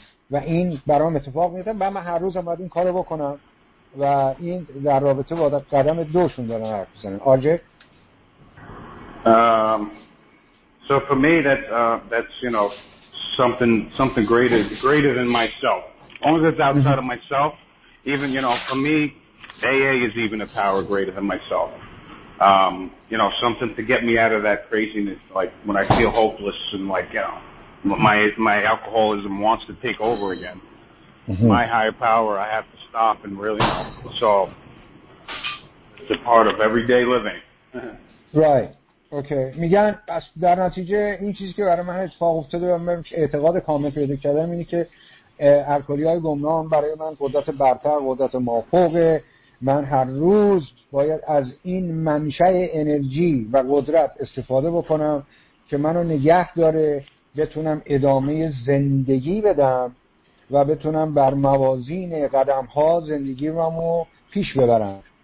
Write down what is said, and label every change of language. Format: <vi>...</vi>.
<fa>و این برام اتفاق میفته و من هر روزم باید این کارو بکنم و این در رابطه با قدم دوشون دارم حرف میزنم. آرژه</fa> <en>So for me that's you know something greater than myself. Only that's outside of myself. Even you know for me AA is even a power greater than myself. You know something to get me out of that craziness, like when I feel hopeless and like you know my alcoholism wants to take over again. Mm-hmm. My higher power, I have to stop and really so it's a part of everyday living. Right. Okay okay.</en> <fa>میگن پس در نتیجه این چیزی که برای من اتفاق افتاده و من اعتقاد کامل پیدا کردم اینه که الکلی‌های گمنام برای من قدرت برتر، قدرت مافوق. من هر روز باید از این منشأ انرژی و قدرت استفاده بکنم که منو نگه داره، بتونم ادامه زندگی بدم و بتونم بر موازین قدم‌ها زندگیمو پیش ببرم.</fa>